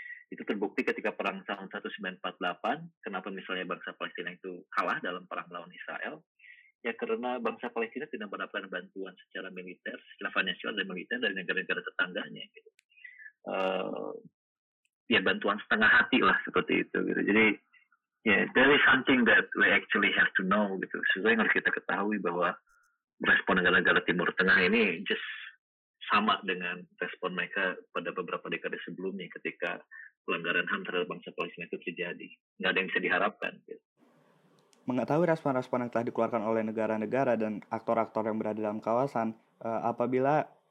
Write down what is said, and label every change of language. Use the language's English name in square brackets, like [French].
[Indonesian] Itu terbukti ketika perang tahun 1948, kenapa misalnya bangsa Palestina itu kalah dalam perang melawan Israel, ya karena bangsa Palestina tidak mendapatkan bantuan secara militer, secara finansial dan militer dari negara-negara tetangganya. Gitu. Ya bantuan setengah hati lah seperti itu. Gitu. [English] Jadi, yeah, there is something that we actually have to know. [Indonesian] Gitu. Sesuai yang harus kita ketahui bahwa respon negara-negara Timur Tengah ini just sama dengan respon mereka pada beberapa dekade sebelumnya ketika pelanggaran HAM terhadap bangsa Palestina itu terjadi. Nggak ada yang bisa diharapkan. Mengetahui respon-respon yang telah dikeluarkan oleh negara-negara dan aktor-aktor yang berada dalam kawasan, apabila